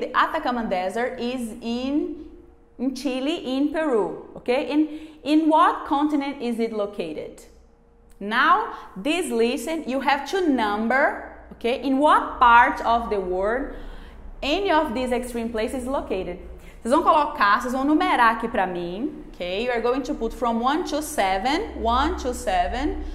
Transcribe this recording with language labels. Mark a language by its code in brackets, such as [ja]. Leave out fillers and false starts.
[en] The Atacama Desert is in Chile, in Peru, okay? In what continent is it located? Now, this listen, you have to number, okay? In what part of the world any of these extreme places is located? [pt] Vocês vão colocar, vocês vão numerar aqui para mim, okay? [en] You are going to put from 1 to 7, 1 to 7.